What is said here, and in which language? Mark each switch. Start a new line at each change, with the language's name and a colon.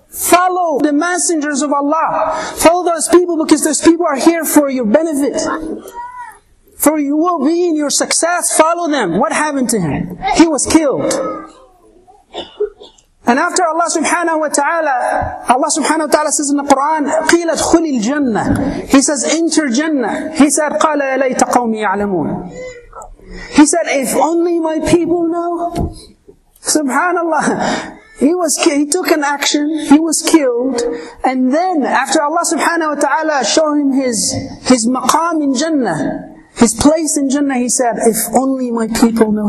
English: Follow the messengers of Allah. Follow those people because those people are here for your benefit. For your well-being, your success, follow them. What happened to him? He was killed. And after Allah subhanahu wa ta'ala says in the Quran,
Arabic: قِيلَ ادْخُلِ الْجَنَّةِ.
English: He says, enter Jannah. He said,
Arabic: قَالَ يَا لَيْتَ قَوْمِ يَعْلَمُونَ.
English: He said, if only my people know. Subhanallah. He took an action, he was killed, and then after Allah subhanahu wa ta'ala showed him his maqam in Jannah, his place in Jannah, he said, if only my people know.